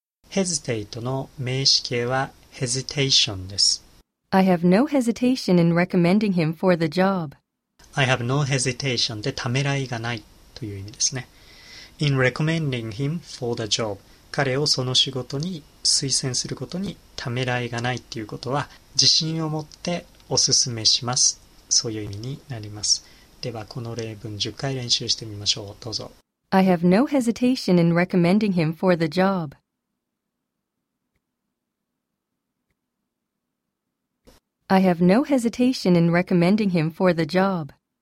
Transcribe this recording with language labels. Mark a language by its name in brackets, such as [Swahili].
[Japanese] Hesitate の名詞形は hesitation です。 [English] I have no hesitation in recommending him for the job. I have no hesitation [Japanese] でためらいがないという意味ですね。 [English] In recommending him for the job. [Japanese] 彼をその仕事に推薦することにためらいがないっていうことは、自信を持っておすすめします。そういう意味になります。ではこの例文10回練習してみましょう。どうぞ。 [English] I have no hesitation in recommending him for the job. I have no hesitation in recommending him for the job.